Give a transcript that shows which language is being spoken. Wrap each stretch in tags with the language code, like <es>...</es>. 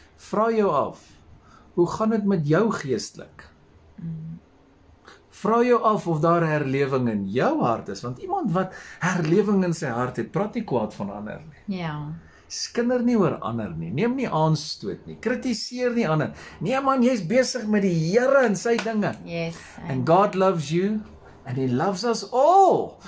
<af>Vra jou af, hoe gaan het met jou geestelik? Vra jou af of daar herleving in jou hart is, want iemand wat herleving in sy hart het, praat nie kwaad van ander nie. Ja. Skinder nie oor ander nie, neem nie aanstoot nie, kritiseer nie ander. Nee man, jy is besig met die Here en sy dinge.</af> <en>Yes. And God loves you, and he loves us all.</en>